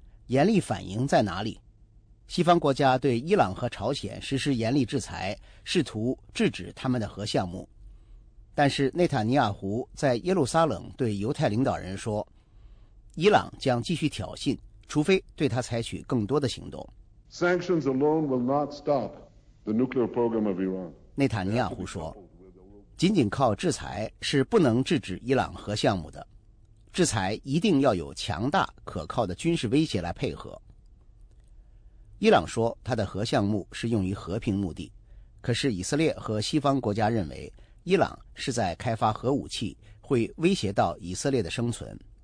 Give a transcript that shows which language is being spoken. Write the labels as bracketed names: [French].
[Chinese] 严厉反应在哪里？西方国家对伊朗和朝鲜实施严厉制裁，试图制止他们的核项目。但是内塔尼亚胡在耶路撒冷对犹太领导人说，伊朗将继续挑衅，除非对他采取更多的行动。 [English] Sanctions alone will not stop the nuclear program of Iran. [Chinese] 内塔尼亚胡说，仅仅靠制裁是不能制止伊朗核项目的，制裁一定要有强大可靠的军事威胁来配合。伊朗说他的核项目是用于和平目的，可是以色列和西方国家认为伊朗是在开发核武器，会威胁到以色列的生存。